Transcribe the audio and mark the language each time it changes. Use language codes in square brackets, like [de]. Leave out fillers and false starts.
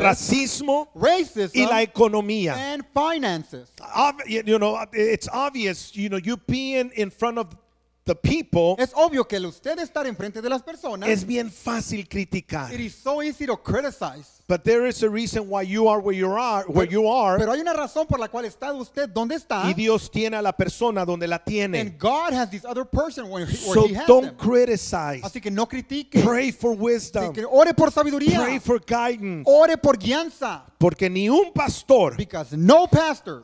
[es] Racismo. [en] Racism. [es] Y la economía. [en] And finances. It's obvious, you know, you being in front of the people. [es] Es obvio que usted estar enfrente de las personas. Es bien fácil criticar. [en] It is so easy to criticize. But there is a reason why you are where you are. [es] Pero hay una razón por la cual está usted donde está. Y Dios tiene a la persona donde la tiene. [en] And God has this other person where so he has them. So don't criticize. [es] Así que no critique. [en] Pray for wisdom. [es] Así que ore por sabiduría. [en] Pray for guidance. [es] Ore por guianza. Porque ni un pastor. [en] Because no pastor.